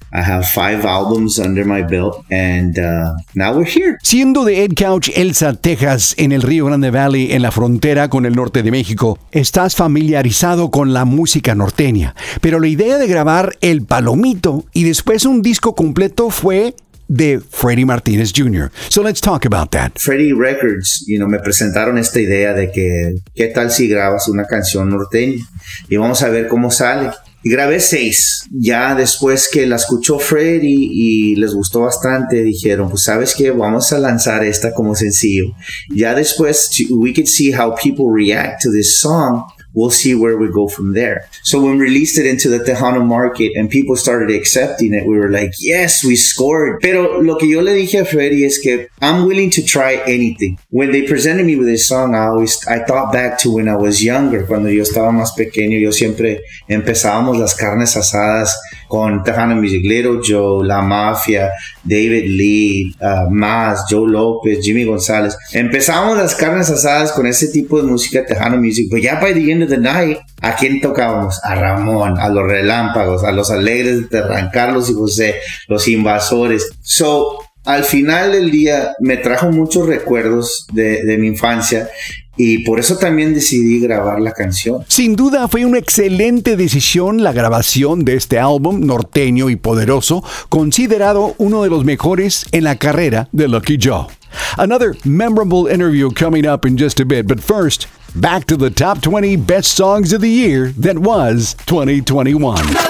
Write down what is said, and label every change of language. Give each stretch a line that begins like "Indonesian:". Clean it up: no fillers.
English: I have 5 albums under my belt, and now we're here.
Spanish: Siendo de Head Coach Elsa, Texas, en el Río Grande Valley, en la frontera con el norte de México, estás familiarizado con la música norteña. Pero la idea de grabar El Palomito y después un disco completo fue de Freddie Martinez Jr.
English: So let's talk about that.
Spanish: Freddie Records,
English: you know,
Spanish: me presentaron esta idea de que qué tal si grabas una canción norteña y vamos a ver cómo sale. Y grabé 6. Ya después que la escuchó Freddy y les gustó bastante, dijeron, pues sabes qué, vamos a lanzar esta como sencillo. Ya después,
English: we could see how people react to this song. We'll see where we go from there. So when we released it into the Tejano market and people started accepting it, we were like, yes, we scored.
Spanish: Pero lo que yo le dije a Freddy es que
English: I'm willing to try anything. When they presented me with this song, I thought back to when I was younger.
Spanish: Cuando yo estaba más pequeño, yo siempre empezábamos las carnes asadas con Tejano Music, Little Joe, La Mafia, David Lee, Mas, Joe López, Jimmy González. Empezábamos las carnes asadas con ese tipo de música, Tejano Music,
English: but
Spanish: ya
English: by the end of the night,
Spanish: ¿a quién tocábamos? A Ramón, a Los Relámpagos, a Los Alegres de Terran, Carlos y José, Los Invasores.
English: So,
Spanish: al final del día, me trajo muchos recuerdos de mi infancia. Y por eso también decidí grabar la canción. Sin duda fue una excelente decisión la grabación de este álbum norteño y poderoso, considerado uno de los mejores en la carrera de Lucky Joe.
English: Another memorable interview coming up in just a bit, but first, back to the top 20 best songs of the year that was 2021.